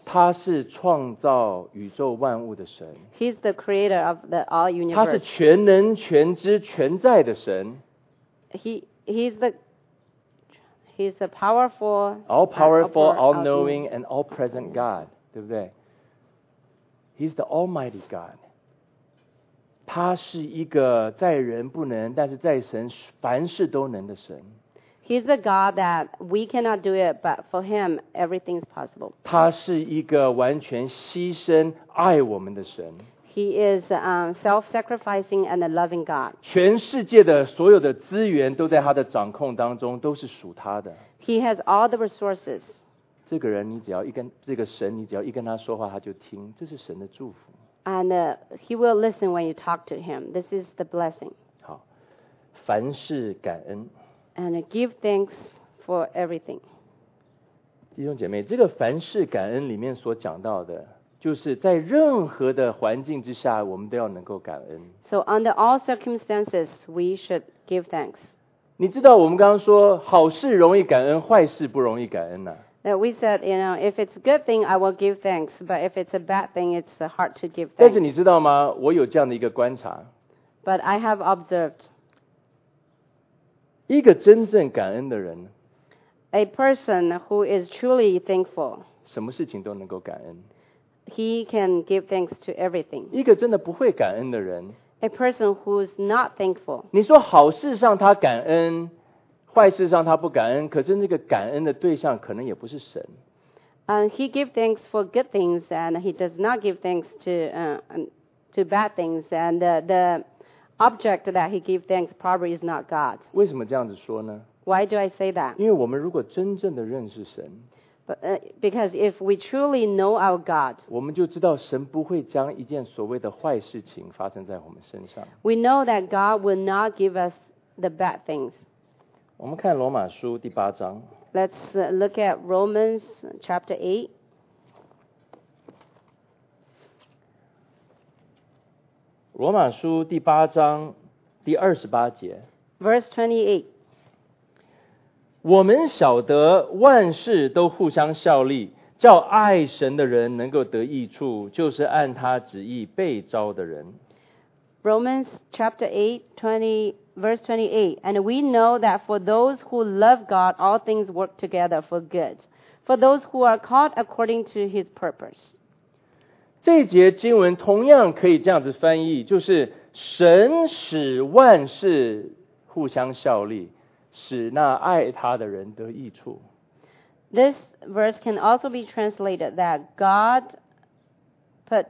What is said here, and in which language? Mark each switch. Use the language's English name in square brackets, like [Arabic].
[Chinese] 他是创造宇宙万物的神。 [English] He's the creator of the all universe. [Chinese] 他是全能、全知、全在的神。 [English] He's the powerful, all powerful, all knowing, and all present God, [Chinese] 对不对 [English] ？He's the Almighty God. [Chinese] 他是一个在人不能，但是在神凡事都能的神。 [English] He's the God that we cannot do it, but for Him, everything is possible. [Chinese] 他是一个完全牺牲爱我们的神。 [English] He is self-sacrificing and a loving God. [Chinese] 全世界的所有的资源都在他的掌控当中，都是属他的。 [English] He has all the resources. [Chinese] 这个人，你只要一跟这个神，你只要一跟他说话，他就听，这是神的祝福。 [English] And he will listen when you talk to him. This is the blessing. [Chinese] 好，凡事感恩。 [English] And give thanks for everything. [Chinese] 弟兄姐妹，这个凡事感恩里面所讲到的，就是在任何的环境之下，我们都要能够感恩。 [English] So under all circumstances, we should give thanks. [Chinese] 你知道我们刚刚说好事容易感恩，坏事不容易感恩呢、啊？ [English] That we said, you know, if it's a good thing, I will give thanks. But if it's a bad thing, it's hard to give thanks. [Chinese] 但是你知道吗？我有这样的一个观察。 [English] But I have observed. [Chinese] 一个真正感恩的人 [English] ，A person who is truly thankful， [Chinese] 什么事情都能够感恩。 [English] He can give thanks to everything。 [Chinese] 一个真的不会感恩的人 [English] ，A person who's not thankful。 [Chinese] 你说好事上他感恩，坏事上他不感恩，可是那个感恩的对象可能也不是神。 [English] He gives thanks for good things and he does not give thanks to bad things and the object that he gives thanks probably is not God. [Chinese] 为什么这样子说呢 [English] ？Why do I say that? [Chinese] 因为我们如果真正的认识神 [English] ，But because if we truly know our God, [Chinese] 我们就知道神不会将一件所谓的坏事情发生在我们身上。 [English] We know that God will not give us the bad things. [Chinese] 我们看罗马书第八章。 [English] Let's look at Romans chapter 8. [Chinese] 罗马书第八章第二十八节 [English] Verse 28 [Chinese] 我们晓得万事都互相效力叫爱神的人能够得益处就是按他旨意被召的人 [English] Romans chapter 8:20, verse 28 And we know that for those who love God all things work together for good For those who are called according to his purpose [Chinese] 这节经文同样可以这样子翻译，就是神使万事互相效力，使那爱他的人得益处。 [English] This verse can also be translated that God put